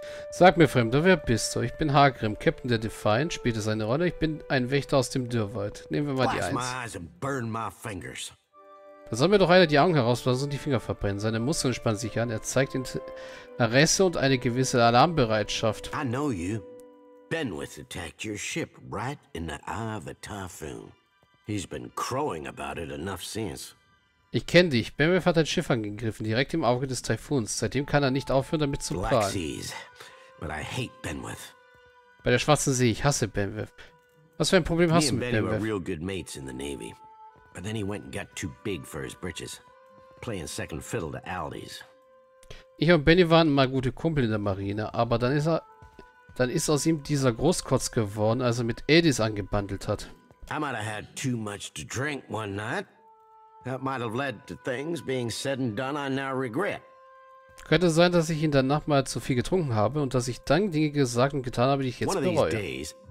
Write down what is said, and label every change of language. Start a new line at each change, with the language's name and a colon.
German: Sag mir, Fremder, wer bist du? Ich bin Hagrim, Captain der Defiant, spielte seine Rolle. Ich bin ein Wächter aus dem Dürrwald. Nehmen wir mal die Eins. Da soll mir doch einer die Augen herausblasen und die Finger verbrennen. Seine Muskeln spannen sich an. Er zeigt Interesse und eine gewisse Alarmbereitschaft.
English: I know you. Benwith attacked your ship right in the eye of a typhoon. He's been crowing about it enough since.
German: Ich kenne dich. Benwith hat dein Schiff angegriffen, direkt im Auge des Taifuns. Seitdem kann er nicht aufhören, damit zu planen. Bei der Schwarzen See, ich hasse Benwith. Was für ein Problem hast du mit Benwith? Wir waren
English: real good mates in the Navy. But then he went and got too big for his britches. Playing second fiddle to Aldis.
German: Ich und Benny waren mal gute Kumpel in der Marine, aber dann ist aus ihm dieser Großkotz geworden, als er mit Aldis angebandelt hat.
English: I might have had too much to drink one night. That might have led to things being said and done I now regret.
German: Könnte sein, dass ich in der Nacht mal zu viel getrunken habe und dass ich dann Dinge gesagt und getan habe, die ich jetzt bereue.